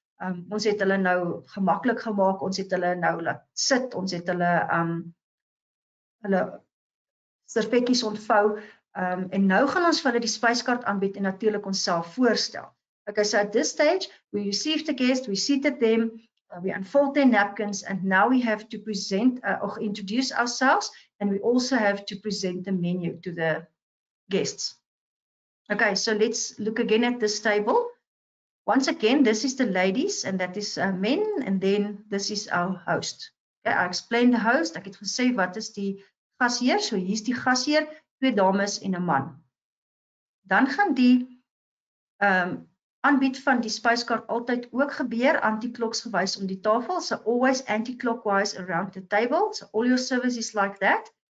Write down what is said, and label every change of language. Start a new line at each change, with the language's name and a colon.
Afrikaans: Ons het hulle nou gemaklik gemaak, ons het hulle nou laat sit, ons het hulle hulle servetjies ontvou, en nou gaan ons vir hulle die spyskaart aanbied en natuurlik onsself voorstel.
English: Okay, so at this stage, we received the guests, we seated them, we unfold their napkins, and now we have to present or introduce ourselves, and we also have to present the menu to the guests. Okay, so let's look again at this table. Once again, this is the ladies, and that is men, and then this is our host. Okay, I explained the host,
Afrikaans: ek het gesê, wat is die gasheer? So hier is die gasheer, twee dames en 'n man. Dan gaan die aanbied van die spyskaart altyd ook gebeur, anti-kloksgewys om die tafel,
English: so always anti-clockwise around the table, so all your services like that.